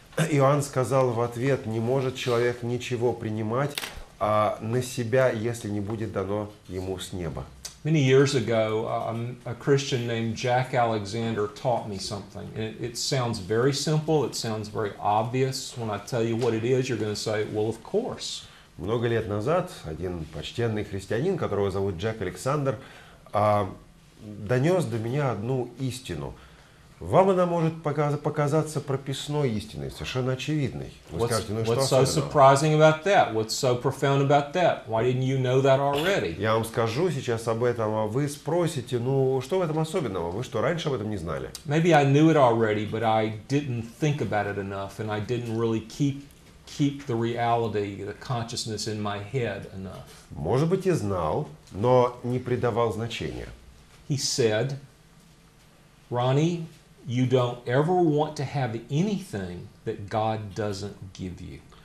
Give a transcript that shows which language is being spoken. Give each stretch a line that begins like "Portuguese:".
Russian: Иоанн сказал в ответ: не может человек ничего принимать на себя, если не будет дано ему с неба.
English: Many years ago, a Christian named Jack Alexander taught me something. And it sounds very simple, it sounds very obvious. When I tell you what it is, you're going to say, well, of course.
Russian: Много лет назад один почтенный христианин, которого зовут Джек Александр, донес до меня одну истину. Вам она может показаться прописной истиной, совершенно очевидной. Вы скажете, ну что особенного?
English: What's so surprising about that? What's so profound about that? Why didn't you know that already?
Russian: Я вам скажу сейчас об этом, а вы спросите, ну что в этом особенного? Вы что, раньше об этом не знали?
English: Maybe I knew it already, but I didn't think about it enough, and I didn't really keep the reality, the consciousness in my head enough.
Russian: Может быть, и знал, но не придавал значения.
English: He said, Ronnie, you don't ever want to have anything that God doesn't give you.